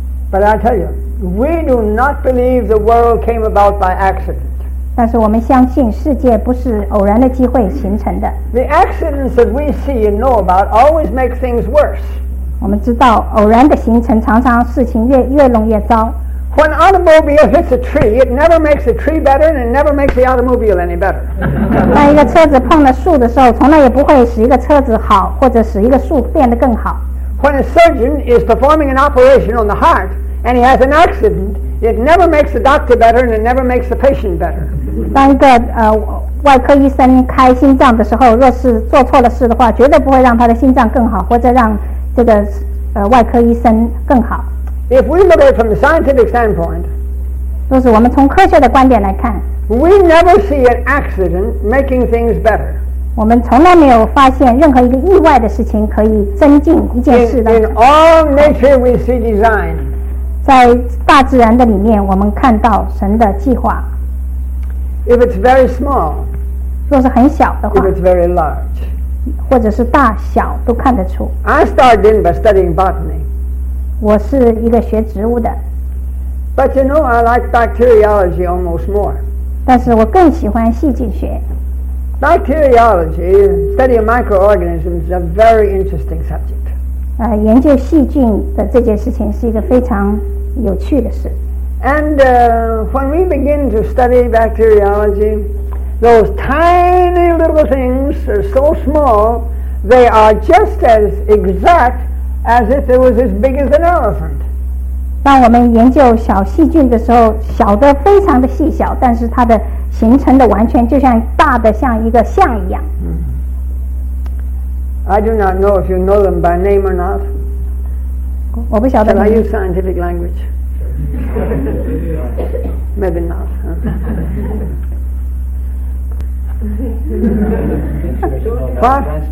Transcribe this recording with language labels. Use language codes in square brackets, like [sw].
[en] But I'll tell you. We do not believe the world came about by accident. [zh] 但是我们相信世界不是偶然的机会形成的。 [en] The accidents that we see and know about always make things worse. [zh] 我们知道偶然的形成常常事情越弄越糟。 [en] When an automobile hits a tree, it never makes the tree better and it never makes the automobile any better. [zh] 当一个车子碰了树的时候，从来也不会使一个车子好，或者使一个树变得更好。 [en] When a surgeon is performing an operation on the heart,And he has an accident, it never makes the doctor better and it never makes the patient better. [zh] 当一个外科医生开心脏的时候，若是做错了事的话，绝对不会让他的心脏更好，或者让这个外科医生更好。 [en] If we look at it from the scientific standpoint, [zh] 若是我们从科学的观点来看， [en] we never see an accident making things better. [zh] 我们从来没有发现任何一个意外的事情可以增进一件事的。 [en] In all nature we see design. [zh] 在大自然的里面，我们看到神的计划。 [en] If it's very small, [zh] 若是很小的话， [en] if it's very large, [zh] 或者是大小都看得出。 [en] I started in by studying botany. [zh] 我是一个学植物的。 [en] But you know, I like bacteriology almost more. [zh] 但是我更喜欢细菌学。 [en] Bacteriology, study of microorganisms, is a very interesting subject. [zh] 研究细菌的这件事情是一个非常有趣的事。 [en] And when we begin to study bacteriology, those tiny little things are so small, they are just as exact as if it was as big as an elephant. [zh] 当我们研究小细菌的时候，小的非常的细小，但是它的形成的完全就像大的像一个象一样。 [en] I do not know if you know them by name or not. [zh] 我不晓得。 [en] Shall I use scientific language? Maybe not. What?